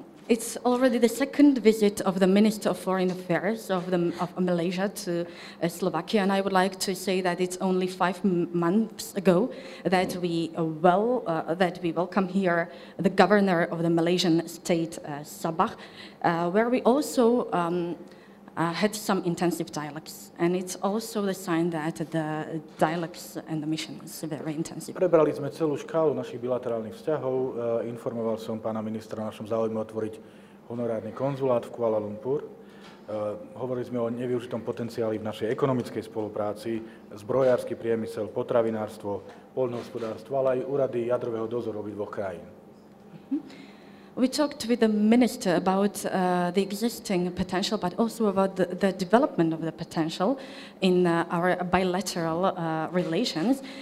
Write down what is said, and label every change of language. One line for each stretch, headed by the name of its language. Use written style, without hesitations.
English: It's already the second visit of the Minister of Foreign Affairs of Malaysia to Slovakia, and I would like to say that it's only 5 months ago that we welcome here the governor of the Malaysian state, Sabah, where we also had some intensive dialogues, and it's also the sign that the dialogues and the mission is very intensive.
Slovak: Prebrali sme celú škálu našich bilaterálnych vzťahov. Informoval som pána ministra o našom záujme otvoriť honorárny konzulát v Kuala Lumpur. Hovorili sme o nevyužitom potenciáli v našej ekonomickej spolupráci, zbrojársky priemysel, potravinárstvo, poľnohospodárstvo, ale aj úrady jadrového dozoru obidvoch krajín.
English: We talked with the minister about the existing potential, but also about the development of the potential in our bilateral relations.